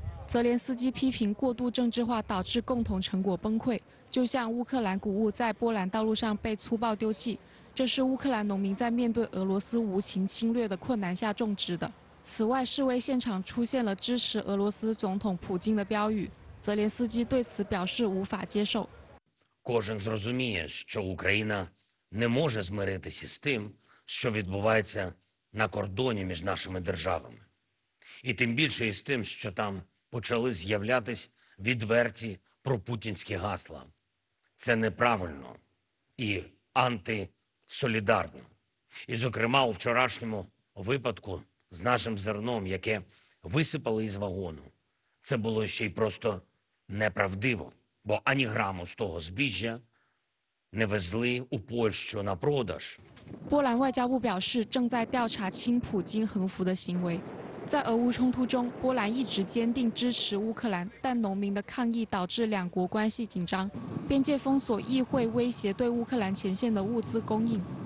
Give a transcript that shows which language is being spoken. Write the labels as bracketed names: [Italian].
[Chinese] 泽连斯基批评过度政治化导致共同成果崩溃，就像乌克兰谷物在波兰道路上被粗暴丢弃，这是乌克兰农民在面对俄罗斯无情侵略的困难下种植的。此外，示威现场出现了支持俄罗斯总统普京的标语，泽连斯基对此表示无法接受。 [Ukrainian] Кожен зрозуміє, що Україна не може змиритися з тим, що відбувається на кордоні між нашими державами, і тим більше із тим, що там почали з'являтись відверті пропутінські гасла. Це неправильно і антисолідарно. І, зокрема, у вчорашньому випадку з нашим зерном, яке висипали із вагону, це було ще й просто неправдиво, бо ані граму з того збіжжя не везли у Польщу на продаж. [Chinese] 波兰外交部表示正在调查亲普京横幅的行为。在俄乌冲突中，波兰一直坚定支持乌克兰，但农民的抗议导致两国关系紧张，边界封锁亦会威胁对乌克兰前线的物资供应。